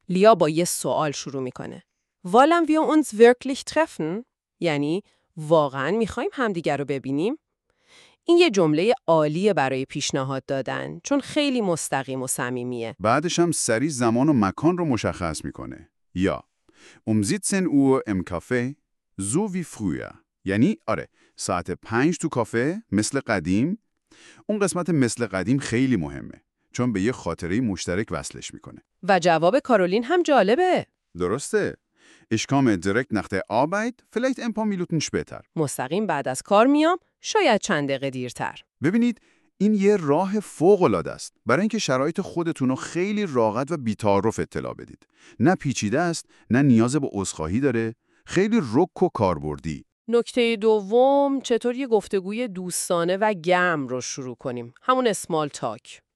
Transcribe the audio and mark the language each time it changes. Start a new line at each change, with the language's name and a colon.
Persian: لیا با یه سوال شروع میکنه.
German: Wollen wir uns wirklich treffen؟
Persian: یعنی واقعا میخواییم همدیگر رو ببینیم؟ این یه جمله عالیه برای پیشنهاد دادن، چون خیلی مستقیم و صمیمیه. بعدش هم سری زمان و مکان رو مشخص میکنه.
German: یا umsitzen Uhr im Café so wie früher.
Persian: یعنی آره، ساعت 5 تو کافه مثل قدیم. اون قسمت مثل قدیم خیلی مهمه، چون به یه خاطره مشترک وصلش میکنه. و جواب کارولین هم جالبه. درسته.
German: Ich komme direkt nach der Arbeit, vielleicht ein paar Minuten später.
Persian: مستقیم بعد از کار میام، شاید چند دقیقه دیرتر. ببینید، این یه راه فوق‌العاده است برای اینکه شرایط خودتون رو خیلی راحت و بی‌تعارف اطلاع بدید. نه پیچیده است، نه نیاز به عذرخواهی داره، خیلی رک و کاربردی. نکته دوم، چطور یه گفتگوی دوستانه و گرم رو شروع کنیم؟ همون اسمال تاک.